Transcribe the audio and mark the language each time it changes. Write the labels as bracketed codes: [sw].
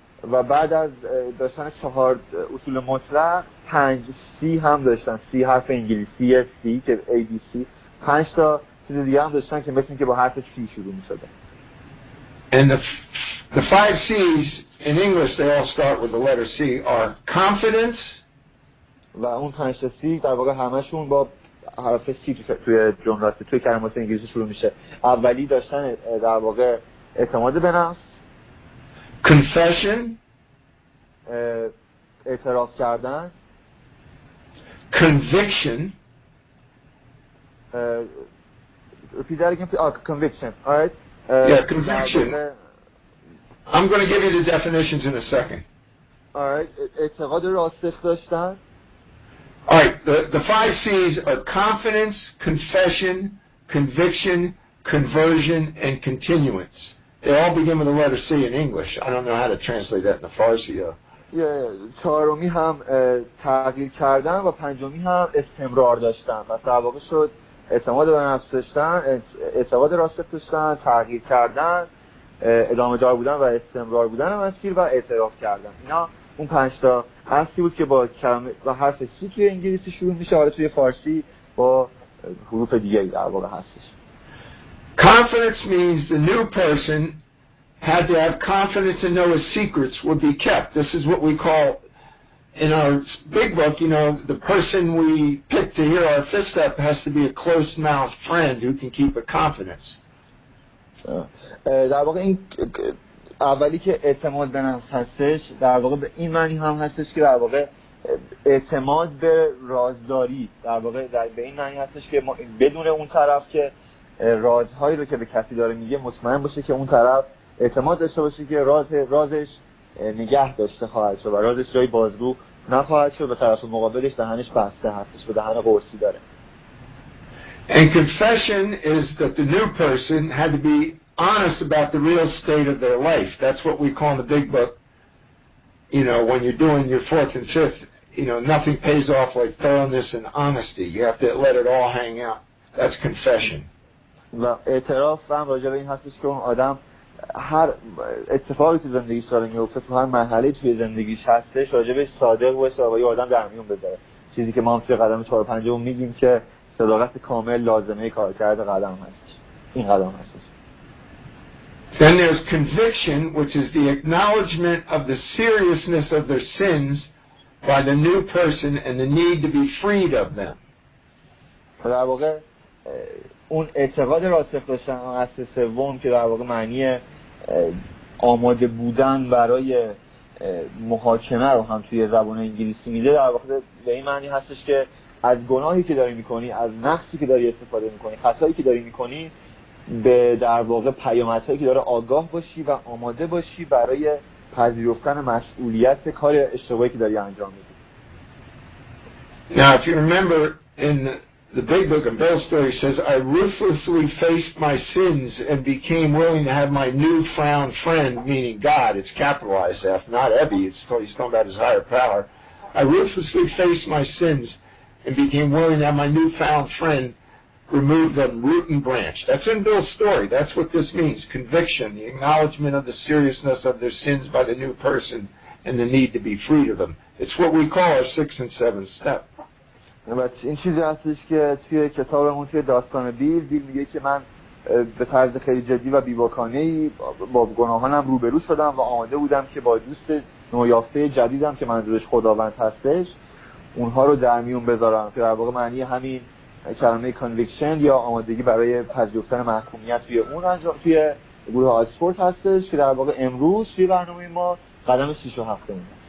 [fa] و بعد از داشتن چهار اصول مطلق، پنج سی هم داشتن. سی حرف انگلیسی، سی که ABC، پنج تا چیز دیگه هم داشتن که مثل که با حرف سی شروع می‌شدن. [en] And the five C's, in English, they all start with the letter C, are confidence. [fa] و اون پنج تا C در واقع همشون با حرف C توی جملات توی کلمات انگلیسی شروع میشه. اولی داشتن در واقع اعتماد به نفس. [en] Confession. [fa] اعتراف کردن. [en] Conviction. Repeat that again. Conviction. All right. Conviction. I'm going to give you the definitions in a second. All right. [fa] اعتقاد راسخ داشتن. [en] All right. The five C's are confidence, confession, conviction, conversion, and continuance. They all begin with the letter C in English. I don't know how to translate that in the Farsi. [fa] چهارمی هم تغییر کردن و پنجمی هم استمرار داشتن. پس در واقع شد اعتماد به نفس داشتن، اعتقاد راسخ داشتن، تغییر کردن، ادامه دار بودن و استمرار بودن مسیر و اعتراف کردن. اینا اون پنج تا هستی بود که با کلمه و حرف سی توی انگلیسی شروع میشه، حالا توی فارسی با حروف دیگه ای در واقع هستش. [en] Confidence means the new person had to have confidence to know his secrets would be kept. This is what we call in our big book, you know, the person we pick to hear our fist up has to be a close mouth friend who can keep a confidence. [fa] در واقع این اولی که اعتماد به نفس هستش، در واقع به این معنی هم هستش که در واقع اعتماد به رازداری، در واقع در به این معنی هستش که ما بدون اون طرف که رازهایی رو که به کسی داره میگه مطمئن باشه که اون طرف اعتماد داشته باشه که رازش نگه داشته خواهد شد و رازش جای بازگو نخواهد شد، به طرف مقابلش دهنش بسته هستش، به دهن قرصی داره. [en] And confession is that the new person had to be honest about the real state of their life. That's what we call in the big book, you know, when you're doing your fourth and fifth, you know, nothing pays off like thoroughness and honesty. You have to let it all hang out. That's confession. [fa] و اعتراف هم راجع به این هستش که آدم هر اتفاقی توی زندگی ساله میوفته، تو هر مرحله توی زندگیش هستش، راجع به صادق باشه و با یه آدم در میون بذاره. چیزی که ما هم توی قدم 4 و 5 میگیم که صداقت کامل لازمه کارکرد قدم هست. این قدم هست. [en] Then there's conviction, which is the acknowledgement of the seriousness of their sins by the new person and the need to be freed of them. [fa] در واقع اون اعتقاد راسخ داشتن هست سوم که در واقع معنی آماده بودن برای محاکمه رو هم توی زبان انگلیسی میده، در واقع به این معنی هستش که از گناهی که داری میکنی، از نقصی که داری استفاده میکنی، خطایی که داری میکنی، به در واقع پیامدهایی که داره آگاه باشی و آماده باشی برای پذیرفتن مسئولیت کار اشتباهی که داری انجام میدی. [en] Now if you remember in the big book and Bell story says I ruthlessly faced my sins and became willing to have my new found friend, meaning God, it's capitalized F, not Ebi, it's he's talking about his higher power. I ruthlessly faced my sins and became willing that my newfound friend removed them root and branch. That's in Bill's story. That's what this means. Conviction, the acknowledgement of the seriousness of their sins by the new person and the need to be freed of them. It's what we call our six and seven step. [fa] But این چیزی هستش که توی کتابمون توی داستان بیل میگه که من به طرز خیلی جدی و بیباکانه‌ای با گناهانم روبرو شدم و آماده بودم که با دوست نویافته جدیدم که منظورش خداوند هستش اونها رو در میون بذارم، که در واقع معنی همین کلمه conviction یا آمادگی برای پذیرفتن محکومیت توی اون انجام توی گروه آکسفورد هستش، که در واقع امروز توی برنامه ما قدم 6 و 7 این هست.